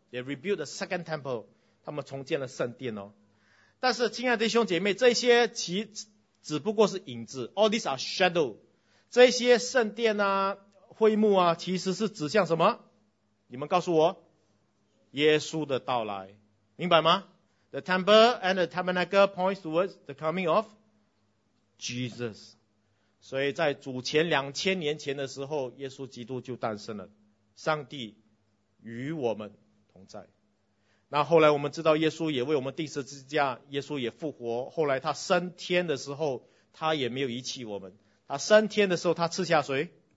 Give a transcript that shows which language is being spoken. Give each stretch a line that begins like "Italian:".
English: They rebuild the Second Temple.
Chinese: 他们重建了圣殿哦。但是亲爱的弟兄姐妹，这些其只不过是影子，
English: All these are shadow.
Chinese: 这些圣殿啊会幕啊其实是指向什么？你们告诉我，耶稣的到来，明白吗？
English: The temple and the tabernacle points towards the coming of Jesus.
Chinese: 所以在主前2000年前的时候，耶稣基督就诞生了，上帝与我们同在。那后来我们知道耶稣也为我们钉十字架，耶稣也复活，后来他升天的时候他也没有遗弃我们，他升天的时候他赐下谁？